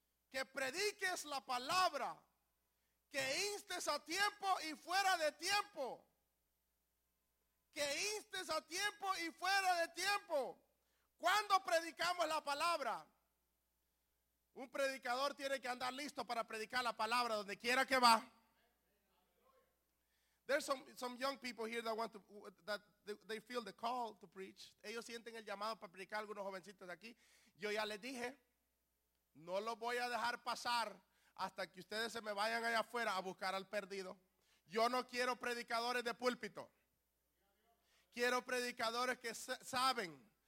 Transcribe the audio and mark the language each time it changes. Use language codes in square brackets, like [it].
[es] Que prediques la palabra, que instes a tiempo y fuera de tiempo. Que instes a tiempo y fuera de tiempo. ¿Cuándo predicamos la palabra? Un predicador tiene que andar listo para predicar la palabra donde quiera que va. [en] There's some young people here that they feel the call to preach. [es] Ellos sienten el llamado para predicar a algunos jovencitos de aquí. Yo ya les dije, no lo voy a dejar pasar hasta que ustedes se me vayan allá afuera a buscar al perdido. Yo no quiero predicadores de púlpito. Quiero predicadores que saben.